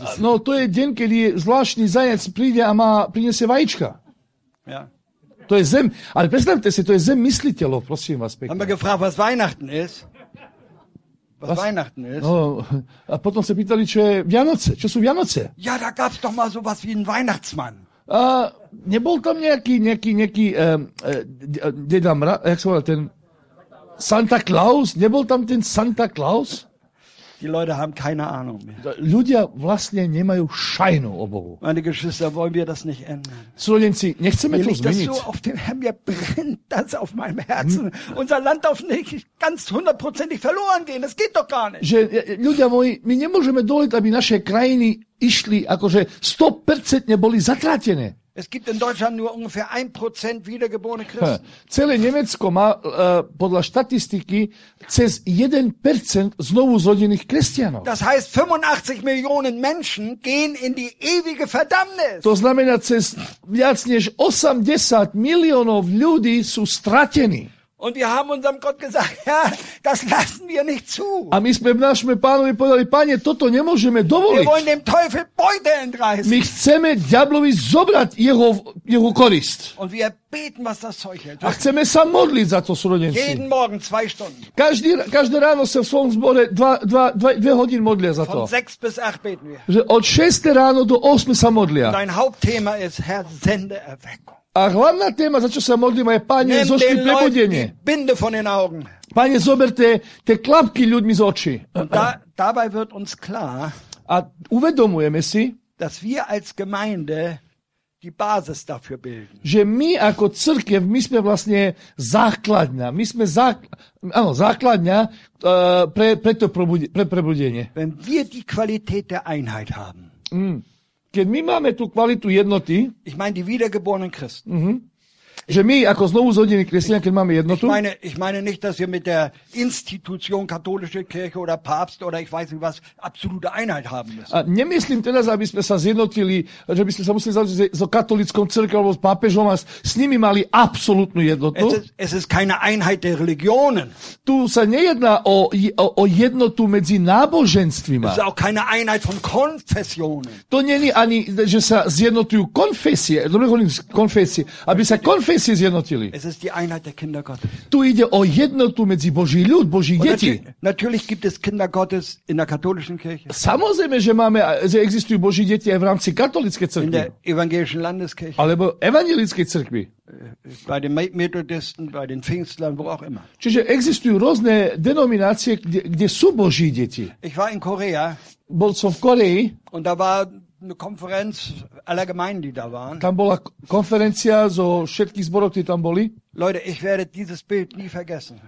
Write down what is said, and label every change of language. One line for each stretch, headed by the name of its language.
Slovak: no, to je deň, kedy zvláštny zajac príde a priniesie vajíčka.
German: Ja.
Slovak: To je zem. Ale predstavte si, to je zem mysliteľov, prosím vás pekne.
German: Haben wir gefragt, was Weihnachten ist? Was Weihnachten ist.
Slovak: No, a potom sa pýtali, čo je Vianoce. Čo sú Vianoce?
German: Ja, da gab's doch mal sowas wie ein Weihnachtsmann.
Slovak: A nebol tam nejaký jak sa volá ten Santa Claus? Nebol tam ten Santa Claus?
German: Die Leute haben keine Ahnung mehr.
Slovak: Ľudia vlastne nemajú šajnu o Bohu.
German: Meine Geschwister, wollen wir das nicht ändern?
Slovak: Súrodenci, nechceme to zmeniť.
German: Das so auf dem Herrn, mir brennt das auf meinem Herzen. Unser Land darf nicht ganz hundertprozentig verloren gehen. Das geht doch gar nicht.
Slovak: Že, ľudia moji, my nemôžeme dovoliť, aby naše krajiny išli, akože 100% neboli zatratené.
German: Es gibt in Deutschland nur ungefähr 1% wiedergeborene Christen.
Slovak: Celé Nemecko má podľa štatistiky cez 1% znovu zrodených kresťanov.
German: Das heißt 85 Millionen Menschen gehen in die ewige Verdammnis.
Slovak: To znamená, cez viac než 80 miliónov ľudí sú stratení.
German: Und wir haben unserem Gott gesagt, ja, das lassen wir nicht zu.
Slovak: A my sme našme pánovi povedali, páne, toto nemôžeme dovoliť.
German: Wir wollen dem Teufel Beute entreißen.
Slovak: My chceme diablovi zobrať jeho korist.
German: Und wir beten, was das Zeug hält.
Slovak: A chceme sa modliť za to, súrodenci.
German: Jeden morgen 2 Stunden.
Slovak: Každé ráno sa v svojom zbore 2 hodiny modlia za to.
German: Von 6 bis 8 beten wir.
Slovak: Že od 6 ráno do 8 sa modlia.
German: Dein Hauptthema ist, Herr, sende Erweckung.
Slovak: A hlavná téma, za čo sa modlíme, je, Pane, zošli prebudenie.
German: Binde von den Augen.
Slovak: Pane, zoberte tie klapky ľuďmi z očí.
German: Dabei wird uns klar,
Slovak: a uvedomujeme si,
German: dass wir als Gemeinde die Basis dafür bilden.
Slovak: Že my ako cirkev, my sme vlastne základňa. My sme základňa pre prebudenie.
German: Wenn wir die Qualität der Einheit haben,
Slovak: keď my máme tú kvalitu jednoty,
German: ich meine die wiedergeborenen Christen, mm-hmm.
Slovak: že my ako znovu zrodení kresťania, keď máme jednotu.
German: Ich meine nicht, dass wir mit der Institution katolische Kirche oder Papst oder ich weiß nicht was absolute Einheit haben müssen.
Slovak: A nemyslím teda, aby sme sa zjednotili, že by sme sa museli zjednotiť so katolickou cirkvou alebo s pápežom a s nimi mali absolútnu jednotu.
German: Es ist keine Einheit der Religionen.
Slovak: Tu sa nejedná o jednotu medzi náboženstvima.
German: Es ist auch keine Einheit von Konfessionen.
Slovak: To není ani, že sa zjednotujú konfesie. Dobre hovorím konfesie. Aby sa konfesie zjednotili.
German: Es ist die Einheit der Kinder Gottes.
Slovak: Tu ide o jednotu medzi Boží ľud, Boží deti.
German: Natürlich gibt es Kinder Gottes in der katholischen Kirche.
Slovak: Samozrejme, že máme, že existujú Boží deti aj v rámci katolické cirkvi.
German: In der evangelischen Landeskirche.
Slovak: Alebo evangelické cirkvi.
German: Bei den Methodisten, bei den Pfingstlern, wo auch immer.
Slovak: Čiže existujú rôzne denominácie, kde sú Boží deti.
German: Ich war in Korea.
Slovak: Bol som v Koreji.
German: Und da war eine Konferenz aller Gemeinden, die da waren.
Slovak: Tam bola konferencia zo všetkých zborov, ktorí tam boli.
German: Leute, ich werde dieses Bild nie vergessen.